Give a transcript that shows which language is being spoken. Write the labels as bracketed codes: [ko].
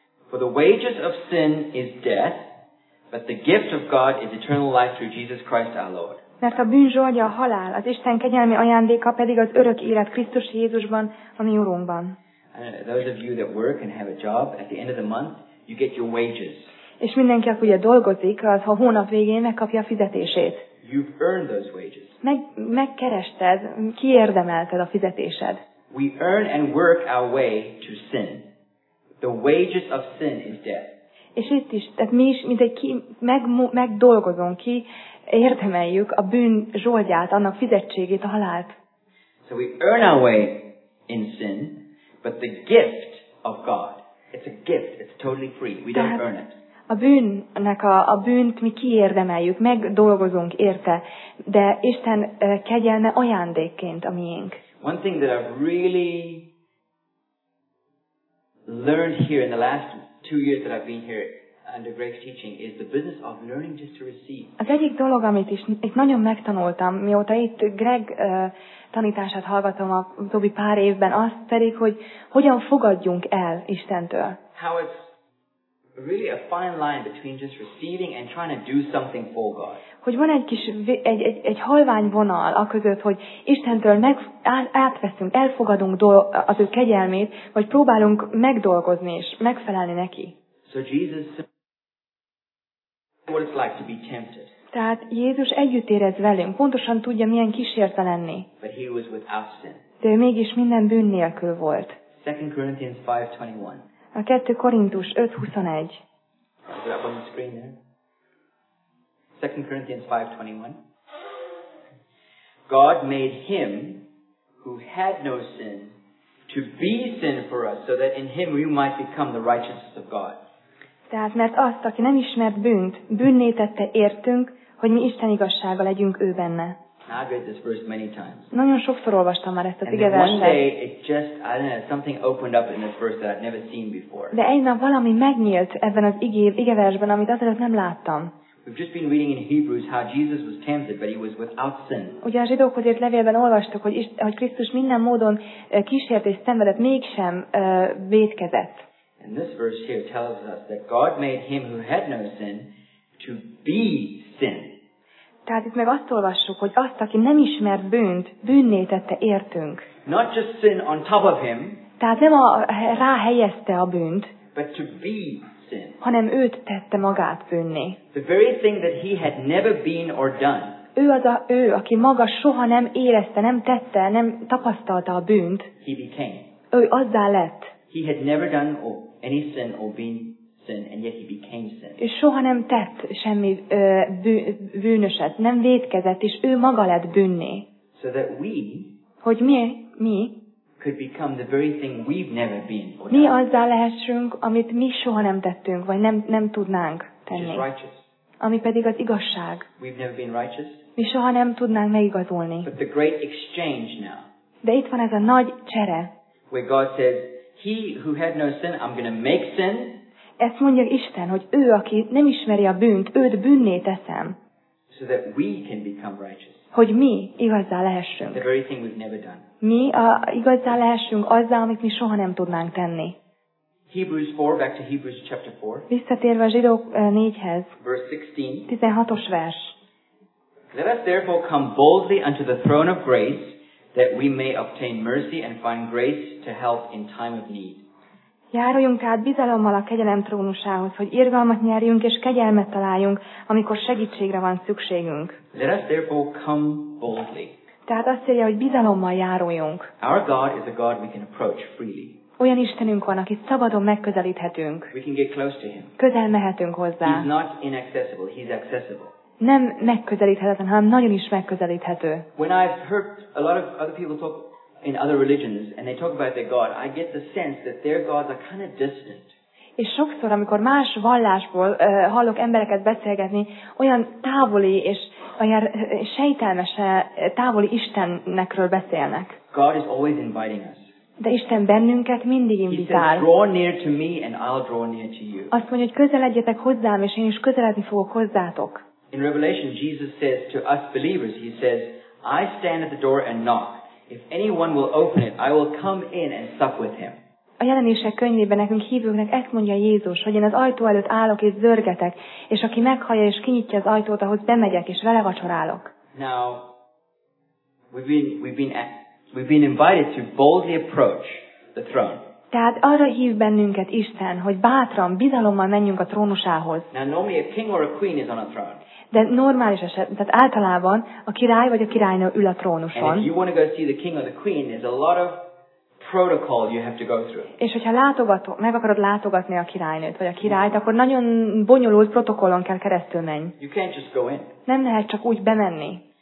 [en] For the wages of sin is death, but the gift of God is eternal life through Jesus Christ our Lord. [hu] Mert a bűn zsoldja a halál, az Isten kegyelmi ajándéka pedig az örök élet Krisztus Jézusban, a mi Urunkban. [en] those of you that work and have a job, at the end of the month, you get your wages. [hu] És mindenki, aki ugye dolgozik, az a hónap végén megkapja a fizetését. [en] You've earned those wages. [hu] Megkerested, kiérdemelted a fizetésed. [en] We earn and work our way to sin. The wages of sin is death. [hu] És itt is, tehát mi is, mint egy ki, megdolgozunk ki, érdemeljük a bűn zsoldját, annak fizetségét, a halált. [en] So we earn our way in sin, but the gift of God, it's a gift, it's totally free, we don't earn it. [hu] A bűnnek a bűnt mi kiérdemeljük, megdolgozunk érte, de Isten kegyelme ajándékként a miénk. [en] One thing that I've really learned here in the last 2 years that I've been here under Greg's teaching is the business of learning just to receive. [hu] Az egyik dolog, amit is itt nagyon megtanultam, mióta itt Greg tanítását hallgatom a utóbbi pár évben, az pedig, hogy hogyan fogadjunk el Istentől. [en] How it's really a fine line between just receiving and trying to do something for God. [hu] Hogy van egy kis egy halvány vonal a között, hogy Istentől meg átveszünk, elfogadunk az ő kegyelmét, vagy próbálunk megdolgozni és megfelelni neki. [en] So Jesus, what it's like to be tempted. [hu] Tehát Jézus együtt érez velünk, pontosan tudja, milyen kísérte lenni. [en] But he was without sin. [hu] De ő mégis minden bűn nélkül volt. [en] 2 Corinthians 5:21. [hu] A 2 Korintus 5:21. [en] Is it up on the screen there? 2 Corinthians 5:21. God made him who had no sin to be sin for us, so that in him we might become the righteousness of God. [hu] Tehát mert azt, aki nem ismert bűnt, bűnné tette értünk, hogy mi Isten igazsága legyünk ő benne. [en] I've read this verse many times. [hu] Nagyon sokszor olvastam már ezt az ige verset. [en] One day it just, I don't know, something opened up in this verse that I'd never seen before. [hu] De egy nap valami megnyílt ebben az ige versben, amit azelőtt nem láttam. [en] We've just been reading in Hebrews how Jesus was tempted, but he was without sin. [hu] Ugye a zsidókhoz írt levélben olvastuk, hogy Krisztus minden módon kísért és szenvedett, mégsem vétkezett. [en] And this verse here tells us that God made him who had no sin to be sin. [hu] Tehát itt meg azt olvassuk, hogy azt, aki nem ismert bűnt, bűnné tette értünk. [en] Not just sin on top of him, [hu] tehát nem ráhelyezte a bűnt, [en] but to be sin. [hu] Hanem őt tette magát bűnné. [en] The very thing that he had never been or done. [hu] Ő az a ő, aki maga soha nem érezte, nem tette, nem tapasztalta a bűnt. [en] He became. [hu] Ő azzá lett. [en] He had never done any sin or been sin, and yet he became sin. [hu] És soha nem tett semmi bűnöset, nem vétkezett, és ő maga lett bűnné. [en] So that we, [hu] hogy mi [en] could become the very thing we've never been or done. [hu] Mi azzá lehessünk, amit mi soha nem tettünk, vagy nem tudnánk tenni. [en] Which is righteous. [hu] Ami pedig az igazság. [en] We've never been righteous. [hu] Mi soha nem tudnánk megigazolni. [en] But the great exchange now. [hu] De itt van ez a nagy csere. [en] Where God says, he who had no sin, I'm going to make sin. [hu] Ezt mondja Isten, hogy ő, aki nem ismeri a bűnt, őt bűnné teszem. [en] So that we can become righteous. [hu] Hogy mi igazzá lehessünk. [en] The very thing we've never done. [hu] Mi igazzá lehessünk azzal, amit mi soha nem tudnánk tenni. [en] Hebrews 4, back to Hebrews chapter 4. [hu] Visszatérve a zsidók 4-hez. [en] Verse 16. [hu] 16-os vers. [en] Let us therefore come boldly unto the throne of grace, that we may obtain mercy and find grace to help in time of need. [hu] Járuljunk át bizalommal a kegyelem trónusához, hogy irgalmat nyerjünk és kegyelmet találjunk, amikor segítségre van szükségünk. [en] Let us therefore come boldly. [hu] Tehát azt írja, hogy bizalommal járuljunk. [en] Our God is a God we can approach freely. [hu] Olyan Istenünk van, akit szabadon megközelíthetünk. [en] We can get close to him. [hu] Közel mehetünk hozzá. [en] He's not inaccessible, he's accessible. [hu] Nem megközelíthetetlen, hanem nagyon is megközelíthető. [en] When I've heard a lot of other people talk in other religions and they talk about their God, I get the sense that their gods are kind of distant. [hu] És sokszor, amikor más vallásból hallok embereket beszélgetni, olyan távoli és olyan sejtelmese távoli Istennekről beszélnek. [en] God is always inviting us. [hu] De Isten bennünket mindig invitál. [en] Draw near to me and I'll draw near to you. [hu] Azt mondja, hogy közeledjetek hozzám, és én is közeledni fogok hozzátok. [en] In Revelation, Jesus says to us believers, he says, I stand at the door and knock. If anyone will open it, I will come in and sup with him. [hu] A Jelenések könyvében nekünk hívőknek ezt mondja Jézus, hogy én az ajtó előtt állok és zörgetek, és aki meghallja és kinyitja az ajtót, ahhoz bemegyek és vele vacsorálok. [en] Now, we've been invited to boldly approach the throne. [hu] Tehát arra hív bennünket Isten, hogy bátran, bizalommal menjünk a trónusához. [en] Now normally a king or a queen is on a throne. [hu] De normális eset, tehát általában a király vagy a királynő ül a trónuson. [en] And if you want to go see the king or the queen, there's a lot of protocol you have to go through. [hu] És hogyha meg akarod látogatni a királynőt vagy a királyt, akkor nagyon bonyolult protokollon kell keresztül menni. [en] You can't just go in. [hu] Nem lehet csak úgy bemenni.